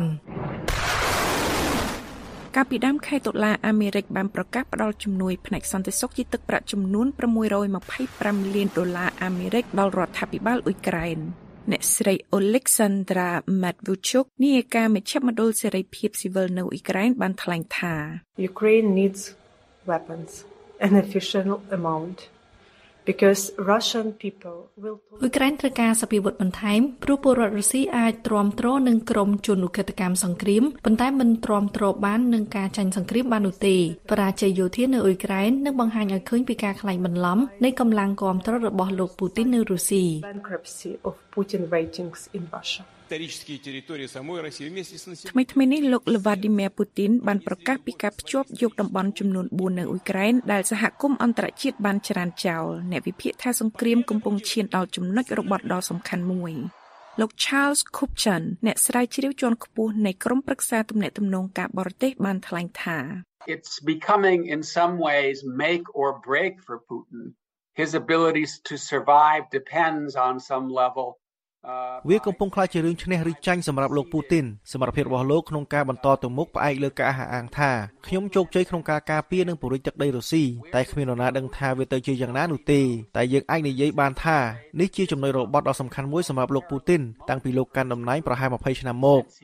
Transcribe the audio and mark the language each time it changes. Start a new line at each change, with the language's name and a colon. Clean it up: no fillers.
Khmer: កាលពីដើមខែតុលាអាមេរិកបានប្រកាសផ្តល់ជំនួយផ្នែកសន្តិសុខជាទឹកប្រាក់ចំនួន625លានដុល្លារអាមេរិកដល់រដ្ឋាភិបាលអ៊ុយក្រែនអ្នកស្រី Oleksandra Matvichuk នាយកមជ្ឈមណ្ឌលសេរីភាពស៊ីវិលនៅអ៊ុយក្រែនបានថ្លែងថា
English: Ukraine needs weapons an efficient amount because Russian people will
Khmer: អ៊ុយក្រែនត្រូវការសម្ភារៈបន្ថែមព្រោះពលរដ្ឋរុស្ស៊ីអាចទ្រាំទ្រនឹងក្រុមជនឧក្រិដ្ឋកម្មសង្គ្រាមប៉ុន្តែមិនទ្រាំទ្របាននឹងការចាញ់សង្គ្រាមបាននោះទេបរាជ័យយោធានៅអ៊ុយក្រែននឹងបង្ហាញឲ្យឃើញពីការខ្លាញ់បន្លំនៃកម្លាំងគ្រប់គ្រងរបស់លោក Putin នៅរុស្ស៊ី
English: Putin ratings in Russia.
Russian: Исторические территории самой России вместе с
Khmer: ថ្មីថ្មីនេះលោក Vladimir Putin បានប្រកាសពីការភ្ជាប់យកតំបន់ចំនួន4នៅអ៊ុយក្រែនដែលសហគមន៍អន្តរជាតិបានច្រានចោលអ្នកវិភាគថាសង្គ្រាមកំពុងឈានដល់ចំណុចរបត់ដ៏សំខាន់មួយលោក Charles Kupchan អ្នកស្រាវជ្រាវជាន់ខ្ពស់នៃក្រុមប្រឹក្សាទំនាក់ទំនងការបរទេសបានថ្លែងថា
English: It's becoming in some ways make or break for Putin. His ability to survive depends on some level.
Khmer: វាកំពុងខ្លាចជារឿងឈ្នះឬចាញ់សម្រាប់លោកពូទីនសមត្ថភាពរបស់លោកក្នុងការបន្តទៅមុខផ្អែកលើការអះអាងថាខ្ញុំជោគជ័យក្នុងការការពារនិងពង្រីកទឹកដីរុស្ស៊ីតែគ្មាននរណាដឹងថាវាទៅជាយ៉ាងណានោះទេតែយើងអាចនិយាយបានថានេះជាចំណុចរបត់ដ៏សំខាន់មួយសម្រាប់លោកពូទីនតាំងពីលោកកាន់តំណែងប្រហែល20ឆ្នាំមក